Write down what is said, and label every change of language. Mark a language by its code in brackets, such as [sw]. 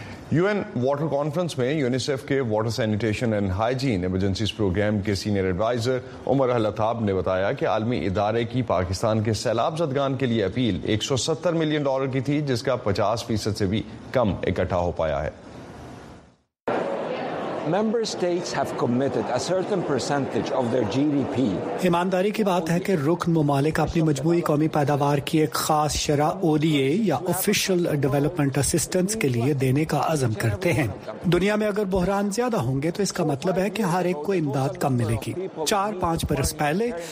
[ur] You N water conference میں UNICEF کے water sanitation and hygiene emergencies programme کے senior advisor عمر الطاب نے بتایا کہ عالمی ادارے کی پاکستان کے سیلاب زدگان کے لیے اپیل $170 ملین کی تھی، جس کا 50% سے بھی کم اکٹھا ہو پایا ہے۔ [en] Member states have committed a certain percentage of their GDP. [ur] ایمانداری کی بات ہے کہ رکن ممالک اپنی مجموعی قومی پیداوار کی ایک خاص شرح ODA یا آفیشیل ڈیولپمنٹ اسسٹنس کے لیے دینے کا عزم کرتے ہیں۔ دنیا میں اگر بحران زیادہ ہوں گے تو اس کا مطلب ہے کہ ہر ایک کو امداد کم ملے گی۔ 4-5 برس پہلے